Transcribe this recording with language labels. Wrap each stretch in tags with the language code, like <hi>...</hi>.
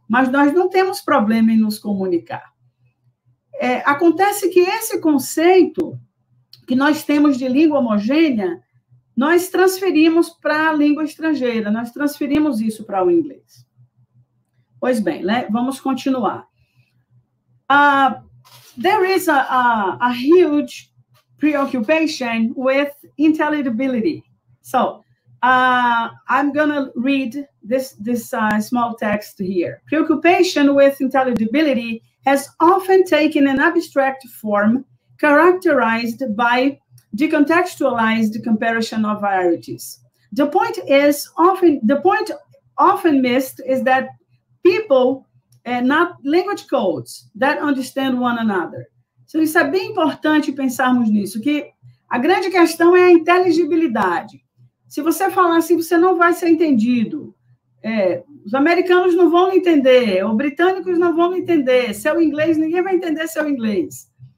<pt>Mas nós não temos problema em nos comunicar. Acontece que esse conceito que nós temos de língua homogênea, nós transferimos para a língua estrangeira, nós transferimos isso para o inglês. Pois bem, né? Vamos continuar.</pt> <en>There is a huge preoccupation with intelligibility. So, I'm going to read this small text here. Preoccupation with intelligibility has often taken an abstract form characterized by decontextualized comparison of varieties. The point often missed is that people, not language codes, that understand one another.</en> <pt>Então, isso é bem importante pensarmos nisso, que a grande questão é a inteligibilidade. Se você falar assim, você não vai ser entendido. Os americanos não vão entender, os britânicos não vão entender, seu inglês, ninguém vai entender seu inglês.</pt>